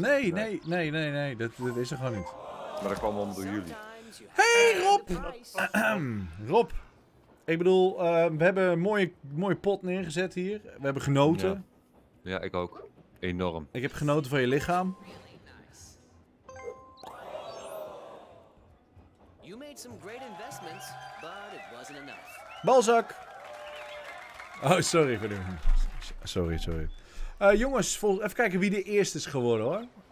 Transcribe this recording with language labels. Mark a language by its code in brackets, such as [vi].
[nl] Nee. Dat is er gewoon niet. Maar dat kwam om door jullie. Hey Rob! Rob. Ik bedoel, we hebben een mooie pot neergezet hier. We hebben genoten. Ja, ik ook. Enorm. Ik heb genoten van je lichaam. [en] You made some great investments, but it wasn't enough. [nl] Balzak! Oh, sorry voor die... Sorry. Jongens, even kijken wie de eerste is geworden, hoor.